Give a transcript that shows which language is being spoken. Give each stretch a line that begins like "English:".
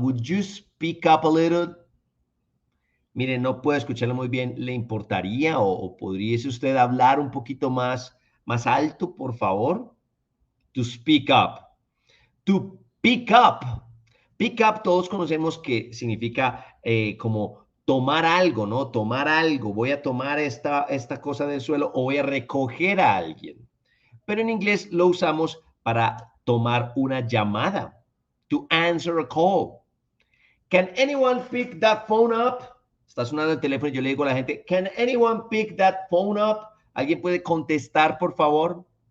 English: Would you speak up a little?
Spanish: Mire, no puedo escucharlo muy bien. ¿Le importaría o podríese usted hablar un poquito más alto, por favor?
English: To speak up. To pick up. Pick up,
Spanish: todos conocemos que significa como... Tomar algo, ¿no? Tomar algo. Voy a tomar esta cosa del suelo o voy a recoger a alguien. Pero en inglés lo usamos para tomar una llamada.
English: To answer a call. Can anyone pick that phone up?
Spanish: Está sonando el teléfono y yo le digo a la gente,
English: can anyone pick that phone up?
Spanish: ¿Alguien puede contestar, por favor?